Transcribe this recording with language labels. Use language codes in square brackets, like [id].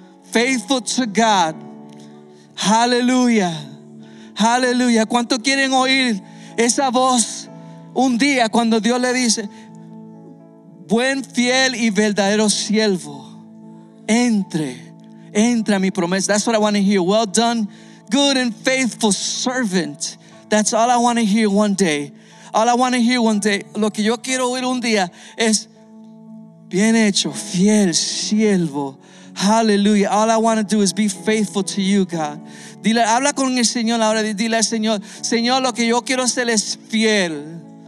[en] Faithful to God. [es] Aleluya. Aleluya. ¿Cuánto quieren oír esa voz un día cuando Dios le dice: buen, fiel y verdadero siervo, entre, entra a mi promesa? [en] That's what I want to hear. Well done, good and faithful servant. That's all I want to hear one day. All I want to hear one day. [es] Lo que yo quiero oír un día es: bien hecho, fiel, siervo. [en] Hallelujah. All I want to do is be faithful to you, God. [es] Dile, habla con el Señor ahora. [en] Dile al Señor: Señor, lo que yo quiero ser es fiel.